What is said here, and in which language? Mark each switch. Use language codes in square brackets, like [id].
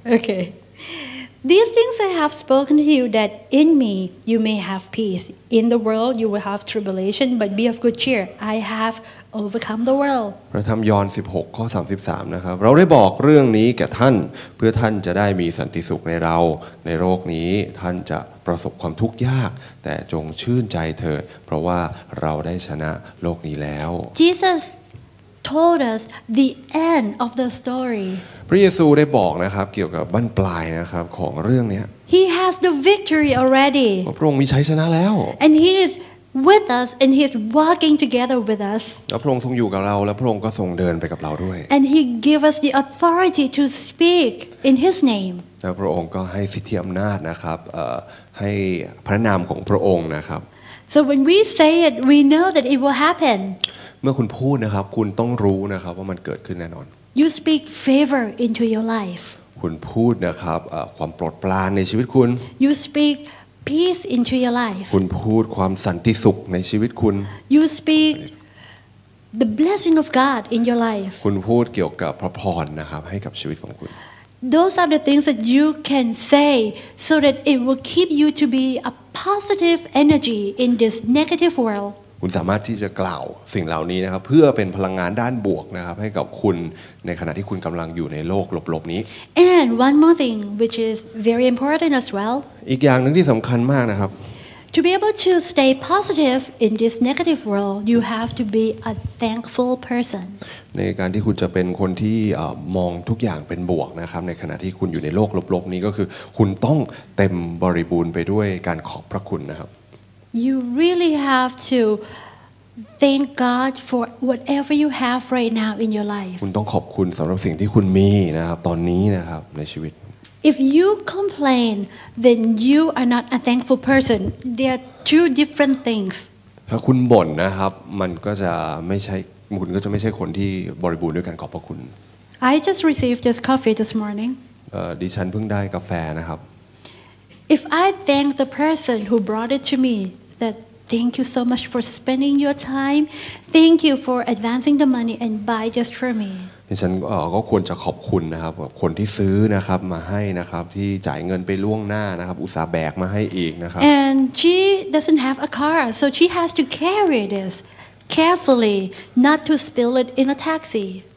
[en] โอเค These things I have spoken to you that in me you may have peace. In the world you will have tribulation, but be of good cheer. I have overcome the world. [th] พระธรรมยอห์น16ข้อ33นะครับเราได้บอกเรื่องนี้แก่ท่านเพื่อท่านจะได้มีสันติสุขในเราในโลกนี้ท่านจะประสบความทุกข์ยากแต่จงชื่นใจเถิดเพราะว่าเราได้ชนะโลกนี้แล้ว [en] Jesus told us the end of the story. [th] พระเยซูได้บอกนะครับเกี่ยวกับบั้นปลายนะครับของเรื่องนี้ [en] He has the victory already [th] พระองค์มีชัยชนะแล้ว [en] And he is with us and he's walking together with us [th] แล้วพระองค์ทรงอยู่กับเราแล้วพระองค์ก็ทรงเดินไปกับเราด้วย [en] and he give us the authority to speak in his name [th] แล้วพระองค์ก็ให้สิทธิอํานาจนะครับให้พระนามของพระองค์นะครับ [en] so when we say it we know that it will happen [th] เมื่อคุณพูดนะครับคุณต้องรู้นะครับว่ามันเกิดขึ้นแน่นอน [en] you speak favor into your life [th] คุณพูดนะครับความโปรดปรานในชีวิตคุณ [en] you speakPeace into your life. [th] คุณพูดความสันติสุขในชีวิตคุณ [en] You speak the blessing of God in your life. [th] คุณพูดเกี่ยวกับพระพรนะครับให้กับชีวิตของคุณ [en] Those are the things that you can say so that it will keep you to be a positive energy in this negative world. [th] คุณสามารถที่จะกล่าวสิ่งเหล่านี้นะครับเพื่อเป็นพลังงานด้านบวกนะครับให้กับคุณในขณะที่คุณกำลังอยู่ในโลกหลบๆนี้ [en] And one more thing which is very important as well. [th] อีกอย่างนึงที่สำคัญมากนะครับ [en] To be able to stay positive in this negative world you have to be a thankful person [th] ในการที่คุณจะเป็นคนที่มองทุกอย่างเป็นบวกนะครับในขณะที่คุณอยู่ในโลกลบๆนี้ก็คือคุณต้องเต็มบริบูรณ์ไปด้วยการขอบพระคุณนะครับ [en] You really have to thank God for whatever you have right now in your life [th] คุณต้องขอบคุณสำหรับสิ่งที่คุณมีนะครับตอนนี้นะครับในชีวิต [en] If you complain, then you are not a thankful person. They are two different things. [th] ถ้าคุณบ่นนะครับมันก็จะไม่ใช่คุณก็จะไม่ใช่คนที่บริบูรณ์ด้วยการขอบพระคุณ [en] I just received this coffee this morning. [th] ดิฉันเพิ่งได้กาแฟนะครับ [en] If I thank the person who brought it to me, that thank you so much for spending your time, thank you for advancing the money and buy just for me. [th] ฉันก็ควรจะขอบคุณนะครับคนที่ซื้อนะครับมาให้นะครับที่จ่ายเงินไปล่วงหน้านะครับอุตส่าห์แบกมาให้อีกนะครับ [en] And she doesn't have a car so she has to carry this carefully not to spill it in a taxi